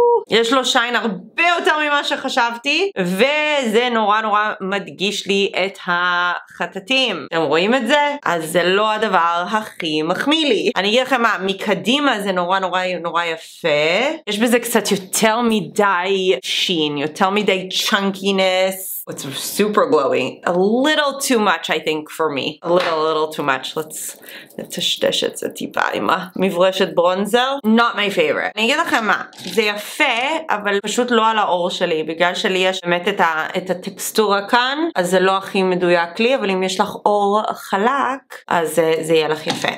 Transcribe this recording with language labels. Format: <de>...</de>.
<he>יש לו שיין הרבה יותר ממה שחשבתי, וזה נורא נורא מדגיש לי את החטטים. אתם רואים את זה? אז זה לא הדבר הכי מחמיא לי. אני אגיד לכם מה, מקדימה זה נורא נורא נורא יפה. יש בזה קצת יותר מדי שין, יותר מדי צ'אנקינס.</he> <en>It's super glowy. A little too much, I think, for me. A little too much. Let's את זה טיפה עם המברשת ברונזר. Not my favorite.</en> <he>אני אגיד לכם מה, זה יפה, אבל פשוט לא על האור שלי. בגלל שלי יש באמת את הטקסטורה כאן, אז זה לא הכי מדויק לי, אבל אם יש לך אור חלק, אז זה יהיה לך יפה.</he>